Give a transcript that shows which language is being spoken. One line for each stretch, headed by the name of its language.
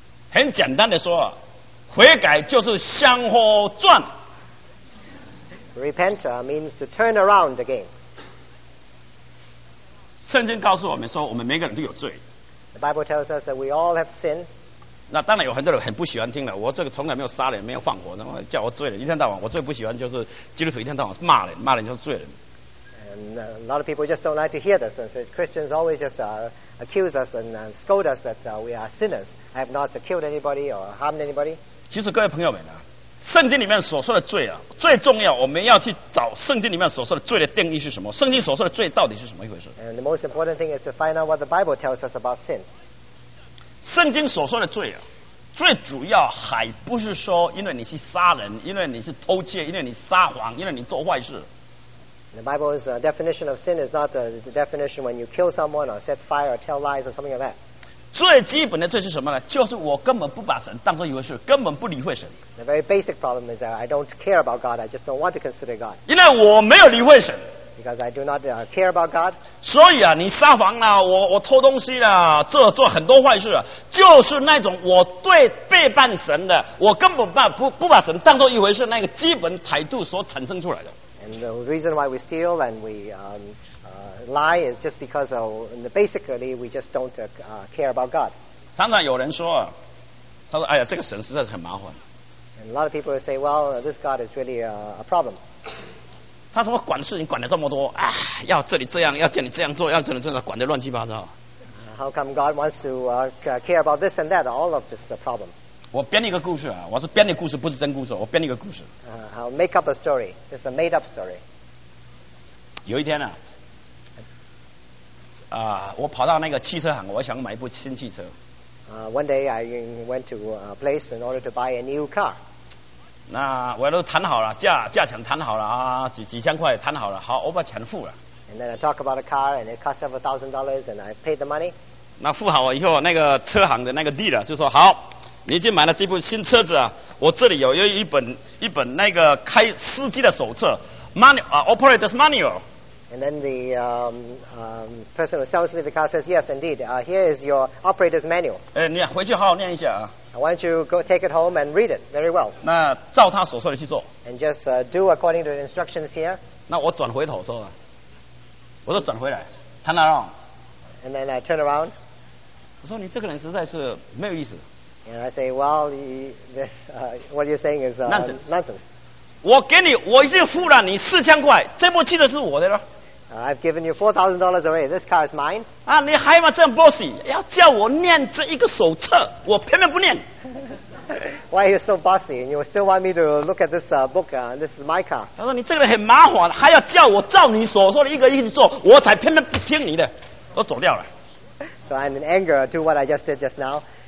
Chinese: 很简单的说，悔改就是向后转。
English: Repent means to turn around again.
Chinese: 圣经告诉我们说，我们每个人都有罪。
English: The Bible tells us that we all have sin.
Chinese: 那当然有很多人很不喜欢听的，我这个从来没有杀人，没有放火，那么叫我罪人，一天到晚我最不喜欢就是基督徒一天到晚骂人，骂人就是罪人。
English: And a lot of people just don't like to hear this. And so Christians always just accuse us and scold us that we are sinners. I have not killed anybody or harmed anybody.
Chinese: 其实各位朋友们啊，圣经里面所说的罪啊，最重要，我们要去找圣经里面所说的罪的定义是什么？圣经所说的罪到底是什么一回事？
English: And the most important thing is to find out what the Bible tells us about sin.
Chinese: 圣经所说的罪啊，最主要还不是说因为你去杀人，因为你是偷窃，因为你撒谎，因为你做坏事。
English: The Bible's definition of sin is not the definition when you kill someone or set fire or tell lies or something like that.
Chinese: 最基本的罪是什么呢？就是我根本不把神当作一回事，根本不理会神。
English: The very basic problem is that I don't care about God. I just don't want to consider God.
Chinese: 因为我没有理会神。
English: Because I do not care about God.
Chinese: 所以啊，你撒谎啦，我偷东西啦，这做很多坏事，就是那种我对背叛神的，我根本不把神当作一回事那个基本态度所产生出来的。
English: And the reason why we steal and we lie is just because of, basically we just don't care about God.
Chinese: 常常有人说，他说：“哎呀，这个神实在是很麻烦。”
English: And a lot of people will say, "Well, this God is really a problem."
Chinese: 他怎么管事情管得这么多？啊，要这里这样，要叫你这样做，要这里这样，管得乱七八糟。
English: How come God wants to care about this and that, all of this problem?
Chinese: 我编一个故事啊，我是编的故事，不是真故事。我编一个故事。
English: I'll make up a story. It's a made-up story.
Chinese: 有一天呢，我跑到那个汽车行，我想买一部新汽车。
English: One day I went to a place in order to buy a new car.
Chinese: 那我都谈好了，价钱谈好了啊，几千块谈好了，好，我把钱付了。
English: And then I talk about a car, and it cost $7,000, and I paid the money.
Chinese: 那付好以后，那个车行的那个dealer就说好。你已经买了这部新车子啊，我这里有一本那个开司机的手册 ，
English: operator's manual。 And then the person who sells me the car says, "Yes, indeed. Here is your operator's manual."
Chinese: 哎，你回去好好念一下啊。
English: Why don't you go take it home and read it very well?
Chinese: 那照他所说的去做。
English: And just do according to the instructions here.
Chinese: 那我转回头说，我说转回来 ，
English: turn around. And then I turn around.
Chinese: 我说你这个人实在是没有意思。
English: And I say, well, what you're saying is nonsense.
Chinese: 我给你，我已经付了你4000块，这部汽车是我的了。
English: I've given you $4,000 already. This car is mine.
Chinese: 啊，你还嘛这样 bossy， 要叫我念这一个手册，我偏偏不念。
English: Why are you so bossy? And you still want me to look at this book? This is my car.
Chinese: 他说你这个人很麻烦，还要叫我照你所说的一个去做，我才偏偏不听你的，我走掉了。
English: So I'm in anger to what I just did just now.